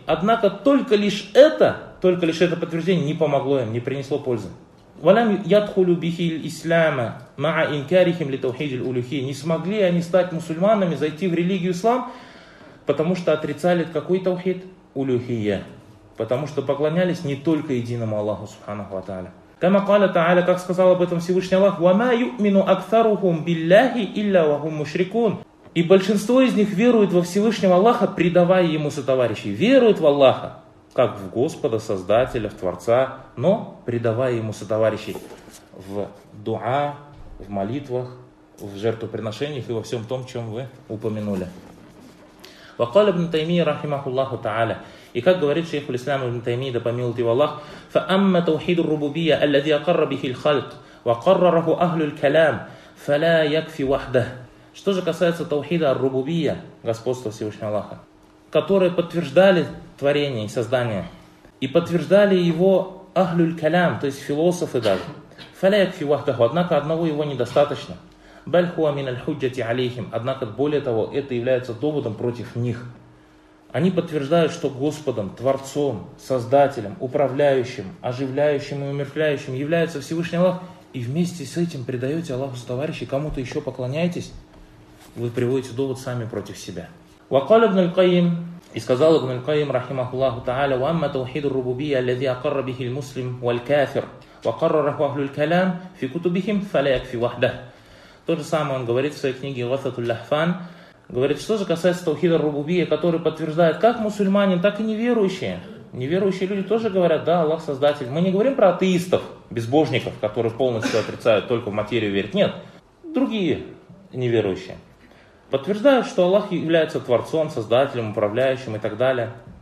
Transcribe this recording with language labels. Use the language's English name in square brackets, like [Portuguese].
[Russian] Однако только лишь это подтверждение не помогло им, не принесло пользы. [Arabic] وَلَمْ يَدْخُلُوا بِهِ الْإِسْلَامَ مَعَ إِنْكَارِهِمْ لِتَوْحِيدِ الْأُلُوهِيَّةِ. [Russian] Не смогли они стать мусульманами, зайти в религию ислам, потому что отрицали какой таухид? Улюхия. Потому что поклонялись не только единому Аллаху, субханаху ва тааля. [Arabic] كما قال تعالى, [Russian] как сказал об этом Всевышний Аллах, [Arabic] وَمَا يُؤْمِنُ أَكْثَرُهُمْ بِاللَّهِ إِلَّا وَهُمْ مُشْرِكُونَ. [Russian] И большинство из них веруют во Всевышнего Аллаха, предавая ему сотоварищей. Веруют в Аллаха, как в Господа, Создателя, в Творца, но предавая ему сотоварищей в дуа, в молитвах, в жертвоприношениях и во всем том, чем вы упомянули. [Arabic] وقال ابن تيمية رحمه الله تعالى. [Russian] И как говорит шейх ислам ибн Таймия, да помилует его Аллах, [Arabic] فأما توحيد الربوبية الذي أقر به الخلق وقرره أهل الكلام فلا يكفي وحده. [Russian] Что же касается таухида ар-рубубия, господства Всевышнего Аллаха, которые подтверждали творение и создание, и подтверждали его ахлюль-калям, то есть философы даже, [Arabic] фаляяк фи вахдаху, [Russian] однако одного его недостаточно. [Arabic] Баль хуа мин аль-худжати алейхим, [Russian] однако более того, это является доводом против них. Они подтверждают, что Господом, Творцом, Создателем, Управляющим, Оживляющим и Умерщвляющим является Всевышний Аллах, и вместе с этим предаете Аллаху сотоварищей, кому-то еще поклоняетесь. Вы приводите довод сами против себя. [Arabic] وقال ابن القيم, [Russian] и сказал [Arabic] ابن القيم رحمه الله تعالى, وأما توحيد الربوبية الذي أقر به المسلم والكافر وقرره أهل الكلام في كتبهم فلا يكفي وحده. [Russian] То же самое он говорит в своей книге غثة الأحفان. Говорит, что же касается таухида ар-рубубия, который подтверждает как мусульманин, так и неверующие. Неверующие люди тоже говорят, да, Аллах создатель. Мы не говорим про атеистов, безбожников, которые полностью отрицают, только в материю верят. Нет, другие неверующие подтверждают, что Аллах является Творцом, Создателем, Управляющим и так далее.